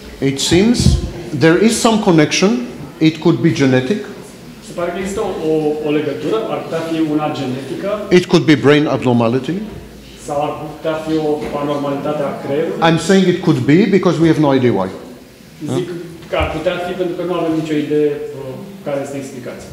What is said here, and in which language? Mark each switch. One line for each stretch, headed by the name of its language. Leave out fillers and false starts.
English: It seems there is some connection. It could be genetic.
Romanian: Se pare că există o legătură, ar putea fi una genetică.
English: It could be brain abnormality.
Romanian: Sau ar putea fi o anormalitate a creierului.
English: I'm saying it could be because we have no idea why.
Romanian: Zic că ar putea fi pentru că nu avem nicio idee care este explicația.